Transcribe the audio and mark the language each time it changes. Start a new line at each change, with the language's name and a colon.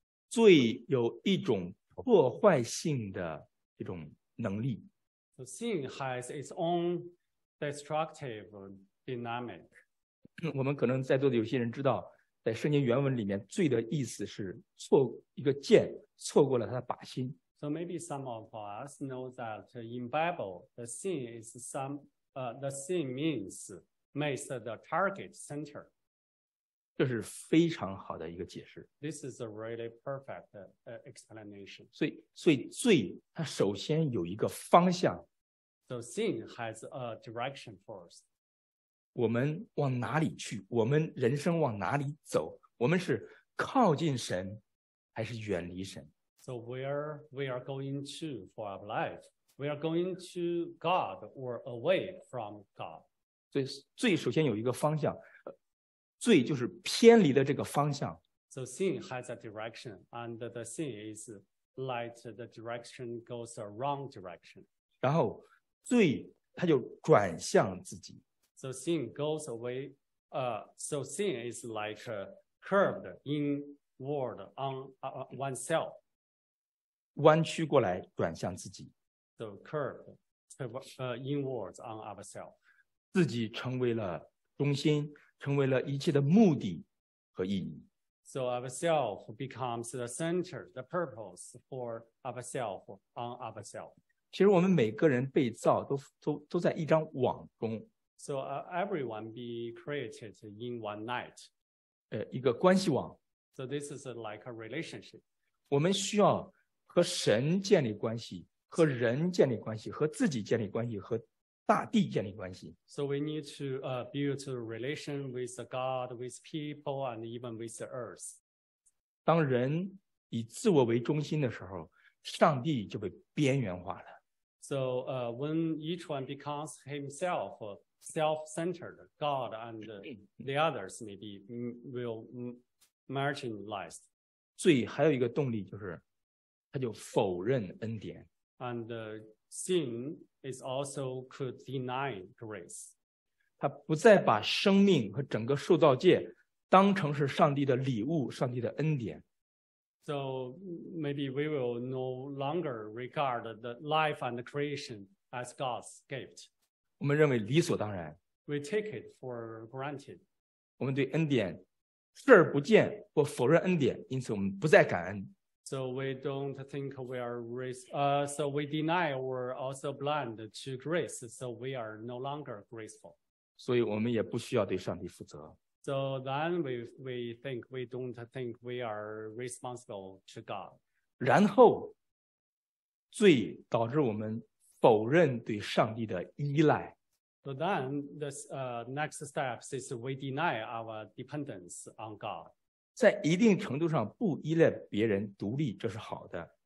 Chinese: 罪有一种破坏性的一种能力。
English: So sin has its own destructive dynamic.
Chinese: 我们可能在座的有些人知道，在圣经原文里面，罪的意思是错一个箭，错过了他的靶心。
English: So maybe some of us know that in Bible, the sin is the sin means. Miss the target center.
Chinese: 这是非常好的一个解释。
English: This is a really perfect explanation.
Chinese: 所以罪它首先有一个方向。
English: So sin has a direction first.
Chinese: 我们往哪里去？我们人生往哪里走？我们是靠近神还是远离神？
English: So where we are going to for our life? We are going to God or away from God?
Chinese: 所以罪首先有一个方向，罪就是偏离的这个方向。
English: So sin has a direction, and the sin is light. The direction goes a wrong direction.
Chinese: 然后罪它就转向自己。
English: So sin goes away. So sin is like a curved inward on oneself.
Chinese: 弯曲过来转向自己。
English: So curved inwards on ourselves.
Chinese: 自己成为了中心，成为了一切的目的和意义。
English: So ourself becomes the center, the purpose for ourself on ourself.
Chinese: 其实我们每个人被造都在一张网中。
English: So everyone be created in one net.
Chinese: 一个关系网。
English: So this is like a relationship.
Chinese: 我们需要和神建立关系，和人建立关系，和自己建立关系，和大地建立关系。
English: So we need to build a relation with God, with people, and even with the earth.
Chinese: 当人以自我为中心的时候，上帝就被边缘化了。
English: So when each one becomes himself self-centered, God and the others maybe will marginalized.
Chinese: 罪还有一个动力就是，他就否认恩典。
English: And sin is also could deny grace.
Chinese: 他不再把生命和整个受造界当成是上帝的礼物，上帝的恩典。
English: So maybe we will no longer regard the life and the creation as God's gift.
Chinese: 我们认为理所当然。
English: We take it for granted.
Chinese: 我们对恩典视而不见或否认恩典，因此我们不再感恩。
English: So we don't think we are so we deny we're also blind to grace, so we are no longer graceful.
Chinese: 所以我们也不需要对上帝负责。
English: So then we think we don't think we are responsible to God.
Chinese: 然后罪导致我们否认对上帝的依赖。
English: So then the next step is we deny our dependence on God.
Chinese: 在一定程度上不依赖别人，独立，这是好的。